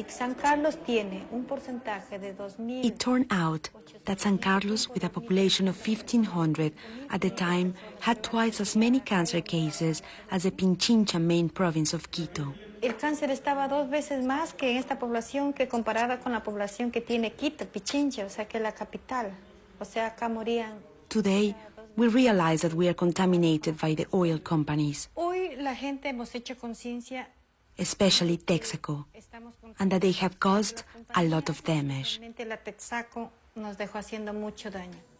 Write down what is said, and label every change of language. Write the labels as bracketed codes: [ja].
[en] It turned out that San Carlos, with a population of 1,500 at the time, had twice as many cancer cases as the Pichincha main province of Quito. [es] El cáncer estaba dos veces más que en esta población que comparada con la población que tiene Quito, Pichincha, o sea que la capital. O sea, acá morían. [en] Today, we realize that we are contaminated by the oil companies. [es] Hoy la gente hemos hecho conciencia, [en] especially Texaco, and that they have caused a lot of damage. [es] La Texaco nos dejó haciendo mucho daño.